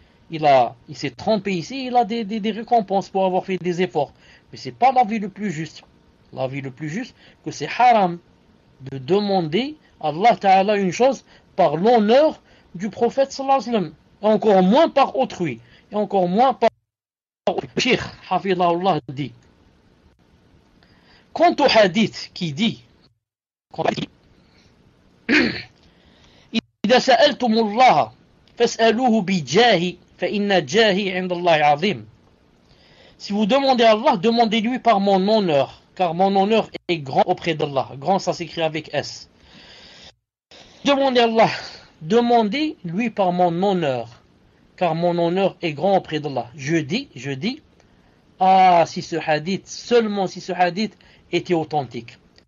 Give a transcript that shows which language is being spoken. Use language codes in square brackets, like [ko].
[fr] Il s'est trompé ici, il a des récompenses pour avoir fait des efforts. Mais ce n'est pas l'avis le plus juste. L'avis le plus juste, que c'est haram de demander à Allah Ta'ala une chose par l'honneur du prophète, sallallahu alayhi wa sallam. Et encore moins par autrui. Et encore moins par Cheikh, hafidhahullah, dit, quant au hadith qui dit, [ar] إذا سألتم الله فاسألوه بجاهي فإن جاهي عند الله عظيم. [fr] Si vous demandez à Allah, demandez-lui par mon honneur, car mon honneur est grand auprès d'Allah. Grand, ça s'écrit avec S. Demandez à Allah, demandez-lui par mon honneur, car mon honneur est grand auprès d'Allah. Je dis, ah, si ce hadith, seulement si ce hadith était authentique.